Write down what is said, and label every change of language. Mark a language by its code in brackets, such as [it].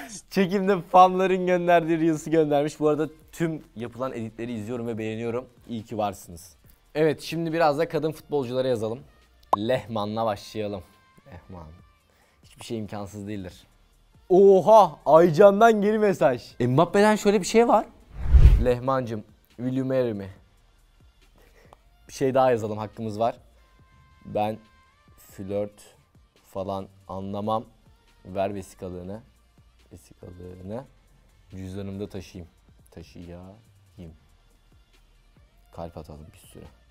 [tr] Çekimde fanların gönderdiği Reels'i göndermiş. Bu arada tüm yapılan editleri izliyorum ve beğeniyorum. İyi ki varsınız. Evet, şimdi biraz da kadın futbolculara yazalım. Lehman'la başlayalım. Lehman. Hiçbir şey imkansız değildir. Oha! Aycan'dan geri mesaj. Mbappe'den şöyle bir şey var. [en] Lehman'cım, will you marry me? [tr] Bir şey daha yazalım, hakkımız var. Ben flört falan anlamam. Ver vesikalığını. Vesikalığını cüzdanımda taşıyayım. Taşıyayım. Kalp atalım bir sürü.